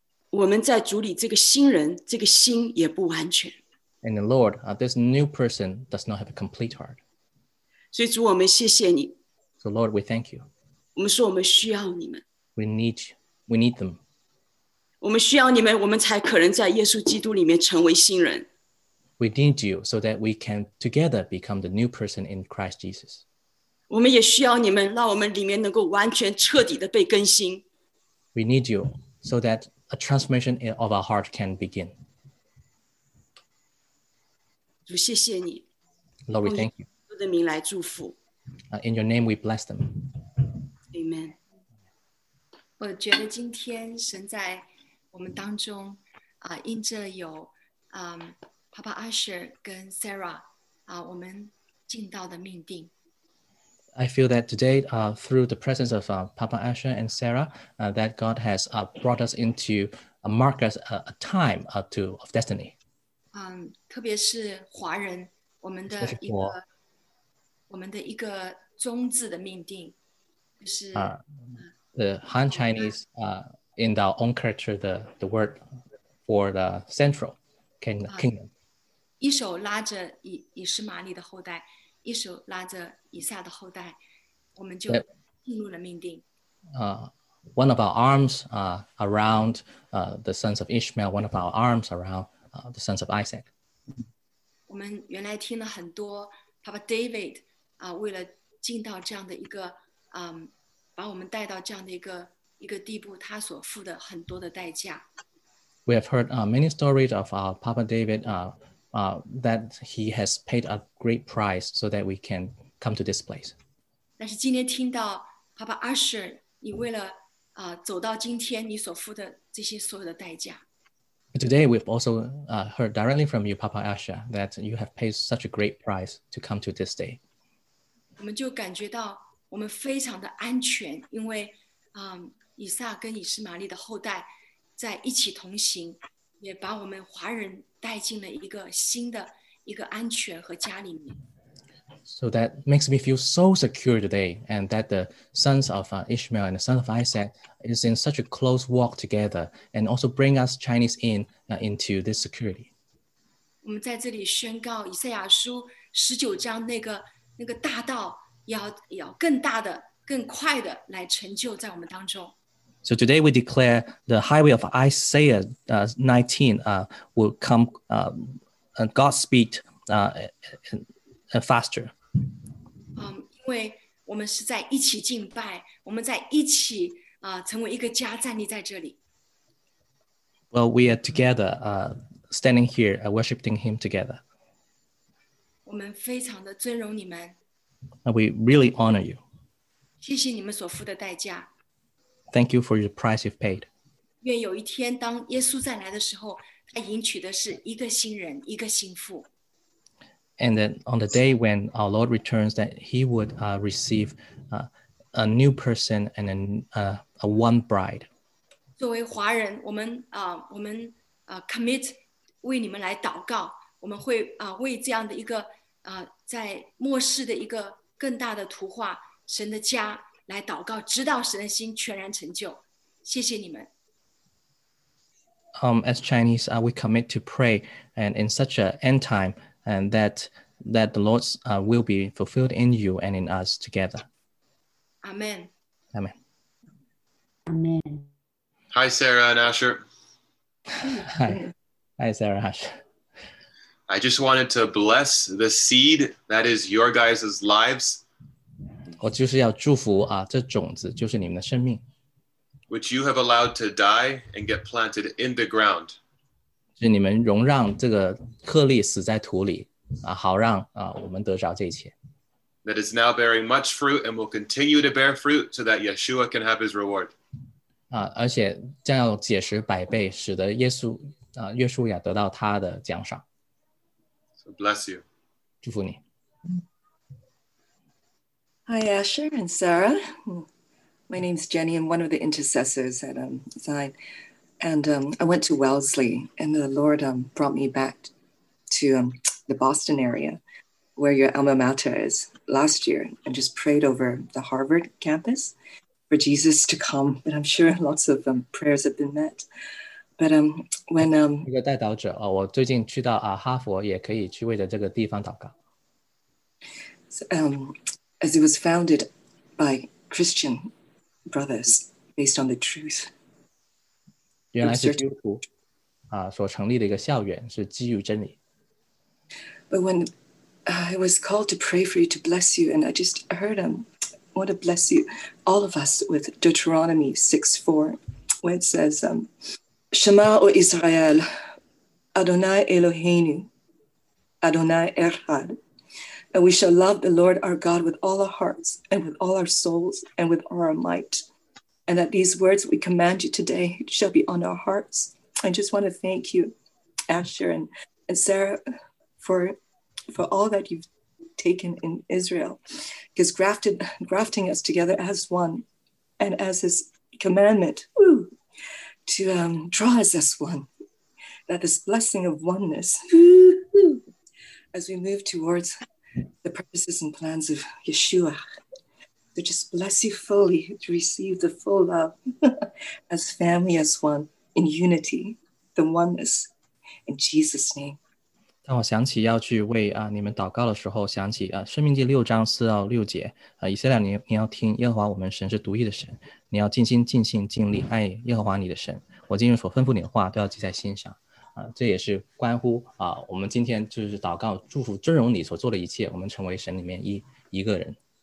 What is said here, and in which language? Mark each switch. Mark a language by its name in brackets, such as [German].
[Chinese] 我们在主里这个新人，这个心也不完全。 [English] And the Lord, this new person does not have a complete heart. [Chinese] 所以主，我们谢谢你。 [English] So Lord, we thank you. [Chinese] 我们说我们需要你们。 [English] We need them. [Chinese] 我们需要你们，我们才可能在耶稣基督里面成为新人。 [English] We need you so that we can together become the new person in Christ Jesus. [Chinese] 我们也需要你们，让我们里面能够完全彻底的被更新。 [English] We need you so that a transformation of our heart can begin. [Chinese] 主，谢谢你。 [English] Lord, we thank you. [Chinese] 用你的名来祝福。 [English] In your name, we bless them. Amen. [Chinese] 我觉得今天神在我们当中，因着有Papa Asher 跟 Sarah 我们进到的命定。 [English] I feel that today, through the presence of Papa Asher and Sarah, that God has brought us into a mark as a time of destiny. [Chinese] 特别是华人，我们的一个宗字的命定，就是 [English] The Han Chinese, in our own culture, the word for the central kingdom. [Chinese] 一手拉着以实玛利的后代。一手拉着以撒的后代，我们就进入了命定。 [English] One of our arms around the sons of Ishmael, one of our arms around the sons of Isaac. [Chinese] 我我们原来听了很多 Papa David 啊，为了进到这样的一个把我们带到这样的一个地步，他所付的很多的代价。 [English] We have heard many stories of our Papa David that he has paid a great price so that we can come to this place. [Chinese] 但是今天听到 Papa Usher， 你为了走到今天，你所付的这些所有的代价。 [English] Today we've also heard directly from you, Papa Asha, that you have paid such a great price to come to this day. [Chinese] 我们就感觉到我们非常的安全，因为以撒跟以实玛利的后代在一起同行，也把我们华人带进了一个新的一个安全和家里面。 [English] So that makes me feel so secure today, and that the sons of Ishmael and the son of Isaac is in such a close walk together, and also bring us Chinese in into this security. [Chinese] 我们在这里宣告以赛亚书十九章那个大道要更大的、更快的来成就在我们当中。 [English] So today we declare the highway of Isaiah 19 will come God's speed faster. [Chinese] 因为我们是在一起敬拜，我们在一起成为一个家，站立在这里。 [English] Well, we are together, standing here, worshiping Him together. [Chinese] 我们非常的尊荣你们。 [English] We really honor you. [Chinese] 谢谢你们所付的代价。 [English] Thank you for the price you've paid. [Chinese] 愿有一天，当耶稣再来的时候，他迎娶的是一个新人，一个新妇。 [English] And then on the day when our Lord returns, that He would receive a new person and a one bride. [Chinese] 作为华人，我们 [English] commit [Chinese] 为你们来祷告，我们会为这样的一个在末世的一个更大的图画神的家来祷告，直到神的心全然成就。谢谢你们。 [English] As Chinese, we commit to pray, and in such an end time, and that the Lord's will be fulfilled in you and in us together. Amen. Amen. Amen. Hi, Sarah and Asher. Hi. Hi, Sarah and Asher. I just wanted to bless the seed that is your guys' lives. [Chinese] 我就是要祝福啊，这种子就是你们的生命。 [English] Which you have allowed to die and get planted in the ground. [Chinese] 是你们容让这个颗粒死在土里啊，好让啊我们得着这一切。 [English] That is now bearing much fruit and will continue to bear fruit so that Yeshua can have his reward. [Chinese] 啊，而且将要结实百倍，使得耶稣啊约书亚得到他的奖赏。 [English] So bless you. [Chinese] 祝福你。 [English] Hi, Asher and Sarah. My name is Jenny. I'm one of the intercessors at Zion. And I went to Wellesley, and the Lord brought me back to the Boston area where your alma mater is last year, and just prayed over the Harvard campus for Jesus to come. But I'm sure lots of prayers have been met. But when... [Chinese] 一个代祷者，我最近去到哈佛，也可以去为着这个地方祷告。 [English] As it was founded by Christian brothers based on the truth. [Chinese] 原来是基督徒所成立的一个校园是基于真理。 [English] But when I was called to pray for you, to bless you, and I just heard him, I want to bless you, all of us, with Deuteronomy 6:4, where it says, [Hebrew] Shema O Israel, Adonai Eloheinu, Adonai Echad. [English] And we shall love the Lord our God with all our hearts and with all our souls and with all our might. And that these words we command you today shall be on our hearts. I just want to thank you, Asher and Sarah, for all that you've taken in Israel. Because grafting us together as one and as his commandment, to draw us as one. That this blessing of oneness, as we move towards the purposes and plans of Yeshua, to just bless you fully, to receive the full love as family, as one, in unity, the oneness, in Jesus' name. [Chinese] 当我想起要去为你们祷告的时候，想起生命记六章四到六节，以色列，你要听耶和华我们神是独一的神，你要尽心尽性尽力爱耶和华你的神，我今日所吩咐你的话都要记在心上。这也是关乎我们今天就是祷告祝福尊荣你所做的一切，我们成为神里面一个人。